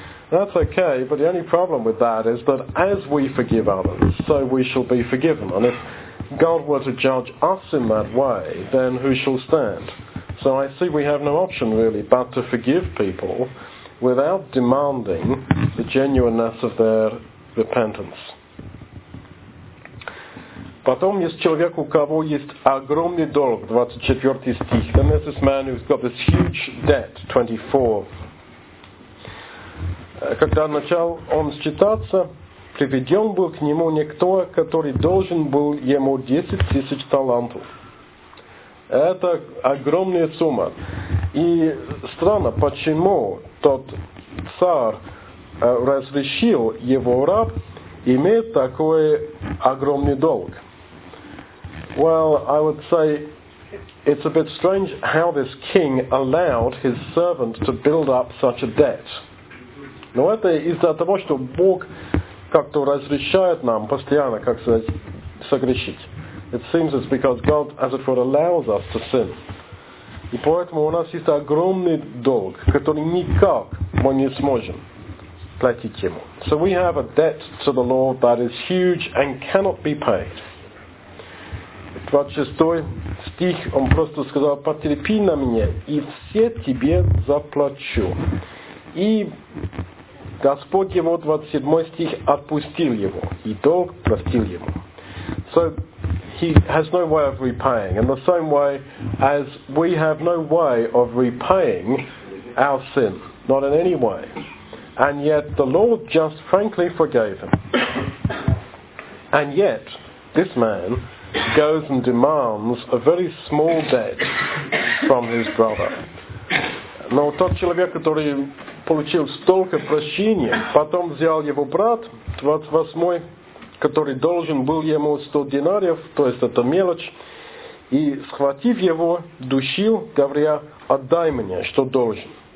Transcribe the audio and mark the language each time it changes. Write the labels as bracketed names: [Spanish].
[English] That's okay, but the only problem with that is that as we forgive others, so we shall be forgiven. And if God were to judge us in that way, then who shall stand? So I see we have no option really but to forgive people without demanding the genuineness of their repentance. [Russian] Потом есть человек, у кого есть огромный долг, 24 стих. [English] Then there's this man who's got this huge debt, 24. [Russian] Когда начал он считаться, приведен был к нему никто, который должен был ему 10 тысяч талантов. Это огромная сумма. И странно, почему тот царь разрешил его раб иметь такой огромный долг. [English] Well, I would say it's a bit strange how this king allowed his servant to build up such a debt. [Russian] Но это из-за того, что Бог как-то разрешает нам постоянно, как сказать, согрешить. [English] It seems it's because God, as it were, allows us to sin. [Russian] И поэтому у нас есть огромный долг, который никак мы не сможем платить ему. [English] So we have a debt to the Lord that is huge and cannot be paid. [Russian] 26 стих, он просто сказал, потерпи на меня, и все тебе заплачу. И Господь его, 27 стих, отпустил его, и долг простил ему. [English] So he has no way of repaying. In the same way as we have no way of repaying our sin, not in any way. And yet the Lord just frankly forgave him. And yet this man goes and demands a very small debt from his brother. [Russian] Но тот человек, который получил столько прощения, потом взял его брат, 28-й, который должен был ему 100 динариев, то есть это мелочь, и, схватив его, душил, говоря, отдай мне, что должен.